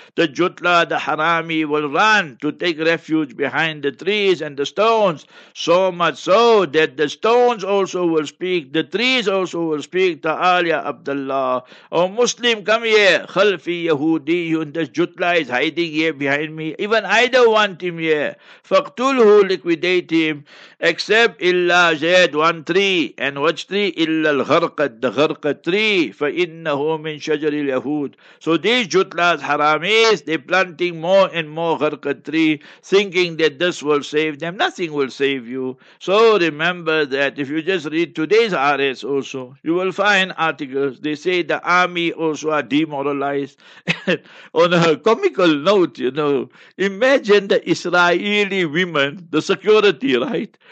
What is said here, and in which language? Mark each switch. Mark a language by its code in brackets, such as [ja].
[en] the Jutla, the Harami, will run to take refuge behind the trees and the stones, so much so that the stones also will speak, the trees also will speak, [ar] تعالي عبدالله, [en] oh Muslim, come here, [ar] خلفي يهودي, [en] the Jutla is hiding here behind me, even I don't want him here, [ar] فَقْتُلْهُ, [en] liquidate him, except [ar] إِلَّا زَيَدْ, [en] one tree, and which tree? [ar] إِلَّا الْغَرْقَدْ, [en] the [ar] غَرْقَدْ [en] tree, [ar] فَإِنَّهُ مِنْ شَجَرِ الْيَهُودِ. [en] So these Jutlas, Haramis, they're planting more and more غَرْقَدْ tree, thinking that this will save them. Nothing will save you. So remember that. If you just read today's RS also, you will find articles. They say the army also are demoralized. On a comical note, you know, imagine the Israeli women, the security, right?